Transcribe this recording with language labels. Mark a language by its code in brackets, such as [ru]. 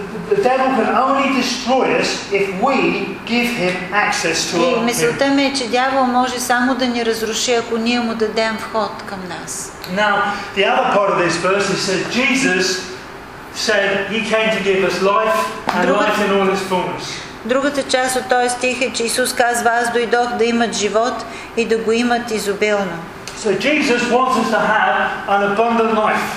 [en] The devil can only destroy us if we give him access to him. [bg] Мисълта ми е, че дявол може само да ни разруши, ако ние му дадем вход към нас. [en] Now, the other part of this verse is that Jesus said he came to give us life and life in all its fullness. [bg] Другата част от този стих е, че Исус казва, аз дойдох да имат живот и да го имат изобилно. [en] So Jesus wants us to have an abundant life.